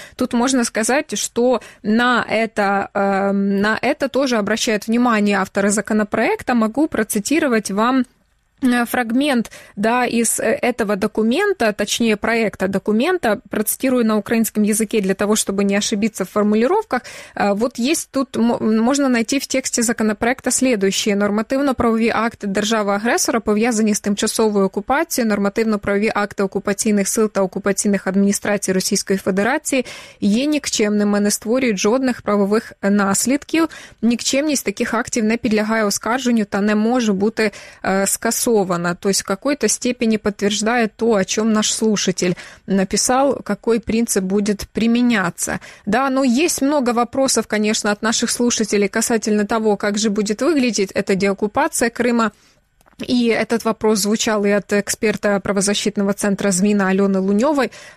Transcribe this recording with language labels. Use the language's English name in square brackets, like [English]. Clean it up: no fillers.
[Russian] Тут можно сказать, что на это тоже обращают внимание авторы законопроекта, могу процитировать вам фрагмент, да, из этого документа, точнее проекта документа, процитирую на украинском языке для того, чтобы не ошибиться в формулировках. Вот есть тут, можно найти в тексте законопроекта следующие: [Ukrainian] нормативно-правові акти держави-агресора, пов'язані з тимчасовою окупацією, нормативно-правові акти окупаційних сил та окупаційних адміністрацій Російської Федерації є нікчемними, не створюють жодних правових наслідків. Нікчемність таких актів не підлягає оскарженню та не може бути скасована. [Russian] То есть в какой-то степени подтверждает то, о чем наш слушатель написал, какой принцип будет применяться. Да, но есть много вопросов, конечно, от наших слушателей касательно того, как же будет выглядеть эта деоккупация Крыма. И этот вопрос звучал и от эксперта правозащитного центра ЗМИНа Алены Луневой.